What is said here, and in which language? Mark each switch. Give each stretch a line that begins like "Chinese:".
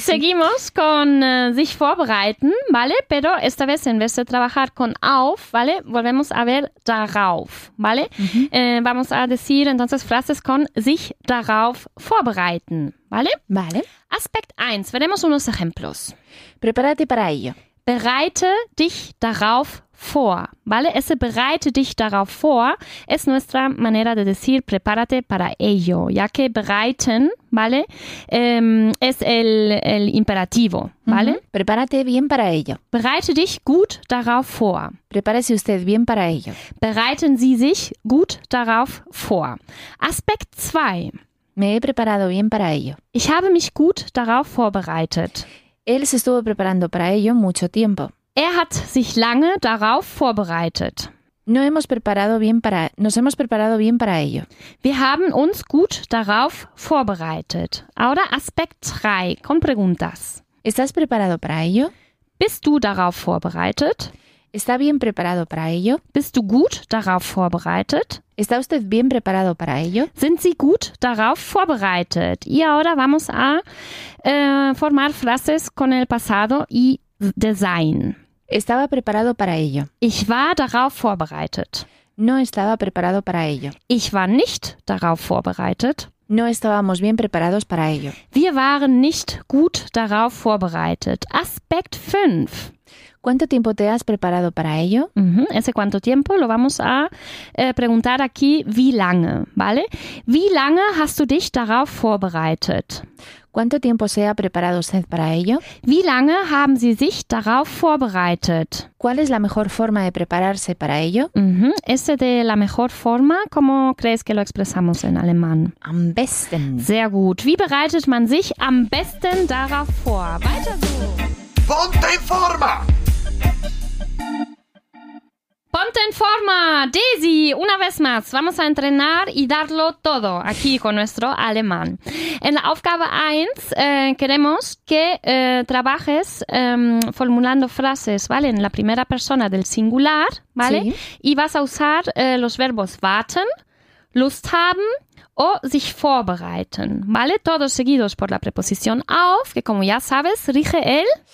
Spanish: Seguimos con sich vorbereiten, ¿vale? Pero esta vez, en vez de trabajar con auf, ¿vale? Volvemos a ver darauf, ¿vale? Uh-huh. Vamos a decir entonces frases con sich darauf vorbereiten, ¿vale? Vale. Aspekt 1, veremos unos ejemplos. Prepárate para ello.
German: Bereite dich darauf vor, ¿vale?
Spanish: Ese
German: bereite dich darauf vor
Spanish: es nuestra manera de decir prepárate para ello, ya que bereiten, ¿vale? Es el imperativo, ¿vale? Uh-huh. Prepárate bien para ello.
German: Bereite dich gut darauf vor.
Spanish: Prepárese usted bien para ello.
German: Bereiten Sie sich gut darauf vor. Aspekt 2.
Spanish: Me he preparado bien para ello.
German: Ich habe mich gut darauf vorbereitet.
Spanish: Él se estuvo preparando para ello mucho tiempo.
German: Er hat sich lange darauf vorbereitet.
Spanish: Nos hemos preparado bien para ello.
German: Wir haben uns gut darauf vorbereitet.
Spanish: Ahora Aspekt 3, con preguntas. ¿Estás preparado para ello?
German: Bist du darauf vorbereitet?
Spanish: ¿Está bien preparado para ello?
German: Bist du gut darauf vorbereitet?
Spanish: ¿Está usted bien preparado para ello?
German: Sind Sie gut darauf vorbereitet?
Spanish: Y ahora vamos a formar frases con el pasado y design. Estaba preparado para ello.
German: Ich war darauf vorbereitet.
Spanish: No estaba preparado para ello.
German: Ich war nicht darauf vorbereitet.
Spanish: No estábamos bien preparados para ello.
German: Wir waren nicht gut darauf vorbereitet. Aspekt 5.
Spanish: ¿Cuánto tiempo te has preparado para ello? Uh-huh. Ese cuánto tiempo lo vamos a preguntar aquí,
German: wie lange,
Spanish: ¿vale?
German: Wie lange hast du dich darauf vorbereitet?
Spanish: ¿Cuánto tiempo se ha preparado usted para ello?
German: Wie lange haben Sie sich darauf vorbereitet?
Spanish: ¿Cuál es la mejor forma de prepararse para ello? Uh-huh. Ese de la mejor forma, ¿cómo crees que lo expresamos en alemán?
German: Am besten. Sehr gut. Wie bereitet man sich am besten darauf vor? Weiter so.
Spanish: Ponte in forma! Ponte en forma, Daisy. Una vez más, vamos a entrenar y darlo todo aquí con nuestro alemán. En la Aufgabe 1 queremos que trabajes formulando frases, ¿vale? En la primera persona del singular, ¿vale? Sí. Y vas a usar los verbos warten, Lust haben o sich vorbereiten, ¿vale? Todos seguidos por la preposición auf, que como ya sabes, rige el...